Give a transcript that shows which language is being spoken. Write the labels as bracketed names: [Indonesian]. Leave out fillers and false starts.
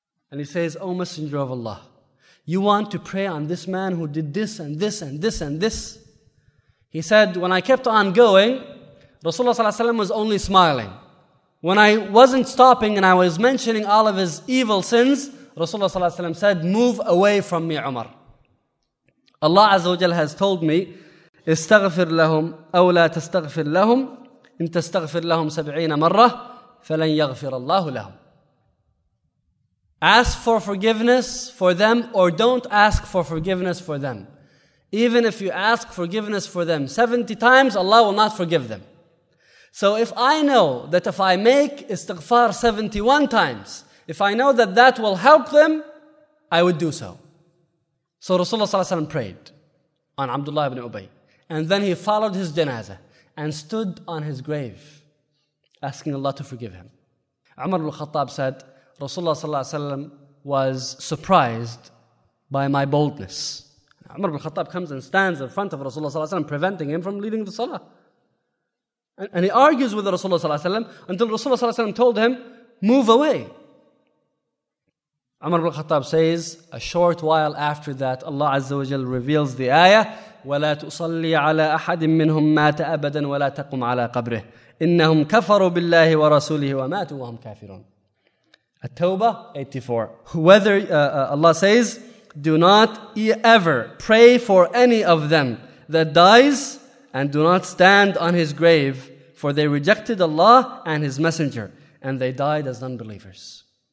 [English] And he says, O Messenger of Allah, you want to pray on this man who did this and this and this and this? He said, when I kept on going, Rasulullah ﷺ was only smiling. When I wasn't stopping and I was mentioning all of his evil sins, Rasulullah ﷺ said, move away from me, Umar. Allah Azza wa Jal has told me, [Arabic] استغفر لهم أو لا تستغفر لهم إن تستغفر لهم [English] 70 times [Arabic] فلن يغفر الله لهم. [English] Ask for forgiveness for them or don't ask for forgiveness for them. Even if you ask forgiveness for them 70 times, Allah will not forgive them. So if I know that if I make istighfar 71 times, if I know that that will help them, I would do so. So Rasulullah ﷺ prayed on Abdullah ibn Ubay. And then he followed his janazah and stood on his grave, asking Allah to forgive him. Umar al-Khattab said, Rasulullah ﷺ was surprised by my boldness. Umar al-Khattab comes and stands in front of Rasulullah ﷺ, preventing him from leading the salah. And he argues with Rasulullah ﷺ until Rasulullah ﷺ told him, move away. Umar al-Khattab says, a short while after that, Allah Azza wa Jal reveals the ayah, [Arabic] وَلَا تُصَلِّي عَلَىٰ أَحَدٍ مِّنْهُمْ مَاتَ أَبَدًا وَلَا تَقُمْ عَلَىٰ قَبْرِهِ إِنَّهُمْ كَفَرُوا بِاللَّهِ وَرَسُولِهِ وَمَاتُوا وَهُمْ كَافِرُونَ. [English] At-Tawbah 84. Whether Allah says, do not ever pray for any of them that dies, and do not stand on his grave, for they rejected Allah and his messenger, and they died as unbelievers.